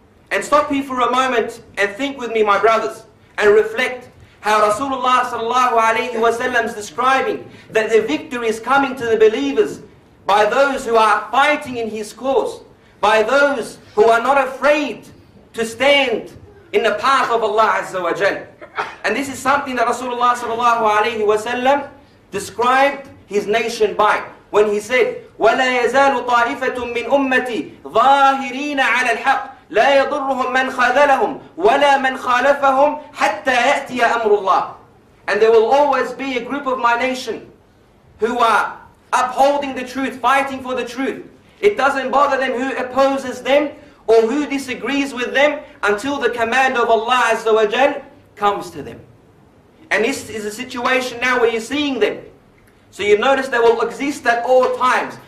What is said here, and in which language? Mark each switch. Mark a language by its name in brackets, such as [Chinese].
[English] And stop here for a moment and think with me, my brothers, and reflect how Rasulullah sallallahu alayhi wa sallam is describing that the victory is coming to the believers by those who are fighting in his cause, by those who are not afraid to stand in the path of Allah azza wa jal. And this is something that Rasulullah sallallahu alayhi wa sallam described his nation by when he said, [Arabic] وَلَا يَزَالُ طَائِفَةٌ مِّنْ أُمَّتِي ظَاهِرِينَ عَلَى الْحَقِّ لَا يَضُرُّهُمْ مَنْ خَذَلَهُمْ وَلَا مَنْ خَالَفَهُمْ حَتَّى يَأْتِيَ أَمْرُ اللَّهِ. [English] And there will always be a group of my nation who are upholding the truth, fighting for the truth. It doesn't bother them who opposes them or who disagrees with them until the command of Allah Azza wa Jal comes to them. And this is a situation now where you're seeing them. So you notice they will exist at all times.